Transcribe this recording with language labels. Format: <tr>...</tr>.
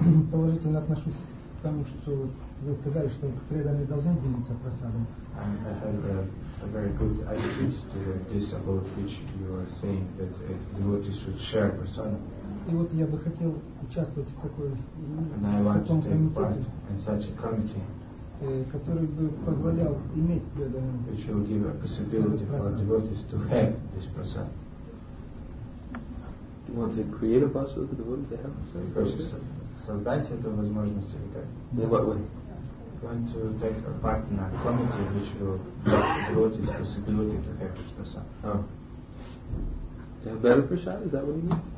<ru>Положительно отношусь к тому, что вы сказали, что преданные должны делиться просадом.</ru> <en>I have a very good attitude to this about which you are saying that devotees should share prasadam.</en> <ru>И вот я бы хотел участвовать в такой комитете, который бы позволял иметь преданных.</ru> <en>Which will give a possibility for devotees to have this prasadam. You want to create a possibility for devotees to have prasadam?</en> <ru>Создать эту возможность или как?</ru> <en>In what way? Going to take a part in a committee which will devote this possibility to have this prasad. Oh. To have better prasad, is that what you mean?</en>